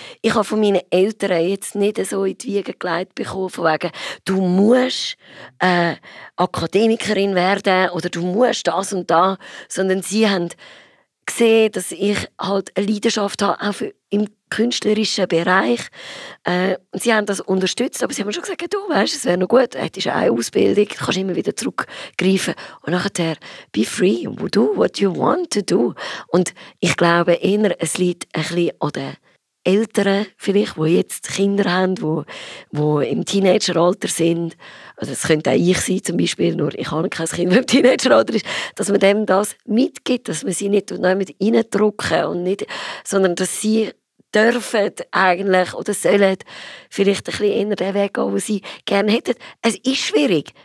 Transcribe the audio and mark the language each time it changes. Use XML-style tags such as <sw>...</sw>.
<de>Ich habe von meinen Eltern jetzt nicht so in die Wiege gelegt bekommen, von wegen, du musst Akademikerin werden oder du musst das und das. Sondern sie haben gesehen, dass ich halt eine Leidenschaft habe, auch im künstlerischen Bereich. Und sie haben das unterstützt, aber sie haben schon gesagt, du weißt, es wäre noch gut, es ist eine Ausbildung, du kannst immer wieder zurückgreifen. Und nachher,</de> <en>be free, do what you want to do.</en> <de>Und ich glaube eher, es liegt ein bisschen an den Eltern vielleicht, die jetzt Kinder haben, die im Teenageralter sind. Also das könnte auch ich sein zum Beispiel, nur ich habe kein Kind, das im Teenageralter ist. Dass man dem das mitgibt, dass man sie nicht mit reindrücken und nicht, sondern dass sie dürfen eigentlich oder sollen vielleicht ein bisschen eher den Weg gehen, den sie gerne hätten. Es ist schwierig.</de>